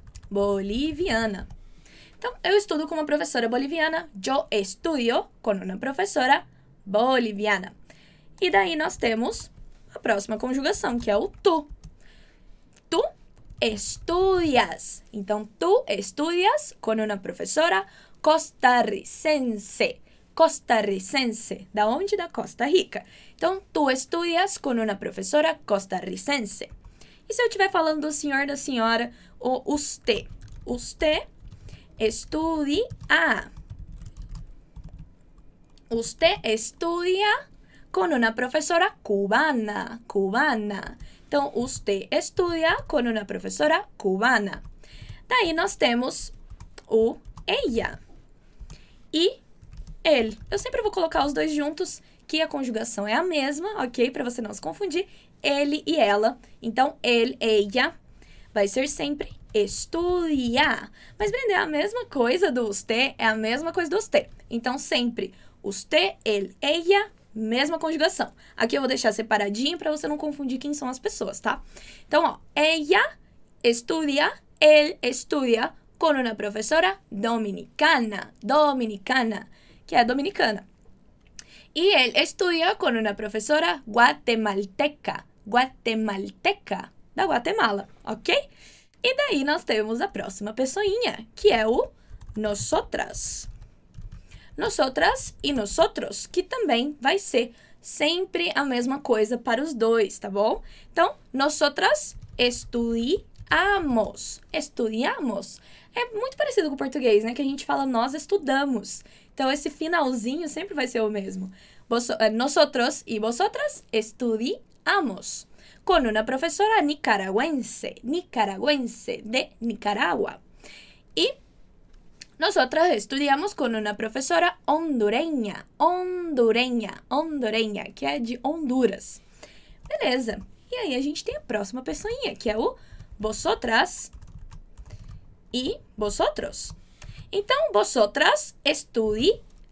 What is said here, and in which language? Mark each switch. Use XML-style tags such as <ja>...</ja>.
<pt>Boliviana. Então, eu estudo com uma professora boliviana.</pt> <es>Yo estudio con una profesora boliviana.</es> <pt>E daí nós temos a próxima conjugação, que é o tu.</pt> <es>Tu estudias.</es> <pt>Então,</pt> <es>tu estudias con una profesora costarricense. Costarricense.</es> <pt>Da onde? Da Costa Rica. Então,</pt> <es>tu estudias con una profesora costarricense.</es> <pt>E se eu estiver falando do senhor, da senhora, o usted?</pt> <es>Usted estudia. Usted estudia con una profesora cubana. Cubana.</es> <pt>Então,</pt> <es>usted estudia con una profesora cubana.</es> <pt>Daí, nós temos o ella e ele. Eu sempre vou colocar os dois juntos, que a conjugação é a mesma, ok? Para você não se confundir. Ele e ela. Então, ele, ella, vai ser sempre estudia. Mas, Brenda, é a mesma coisa do usted, é a mesma coisa do usted. Então, sempre usted, ele, ella, mesma conjugação. Aqui eu vou deixar separadinho para você não confundir quem são as pessoas, tá? Então, ó,</pt> <es>ella estudia, él estudia con una profesora dominicana. Dominicana,</es> <pt>que é dominicana. E</pt> <es>él estudia con una profesora guatemalteca.</es> <pt>Guatemalteca, da Guatemala, ok? E daí nós temos a próxima pessoinha, que é o nosotras. Nosotras e nosotros, que também vai ser sempre a mesma coisa para os dois, tá bom? Então,</pt> <es>nosotras estudiamos. Estudiamos.</es> <pt>É muito parecido com o português, né? Que a gente fala nós estudamos. Então, esse finalzinho sempre vai ser o mesmo.</pt> <es>Nosotros y vosotras estudiamos con una profesora nicaragüense, nicaragüense de Nicaragua. Y nosotras estudiamos con una profesora hondureña, hondureña, hondureña,</es> <pt>que é de Honduras. Beleza. E aí a gente tem a próxima pessoinha, que é o vosotras e vosotros. Então,</pt> <es>vosotras estudiais.</es>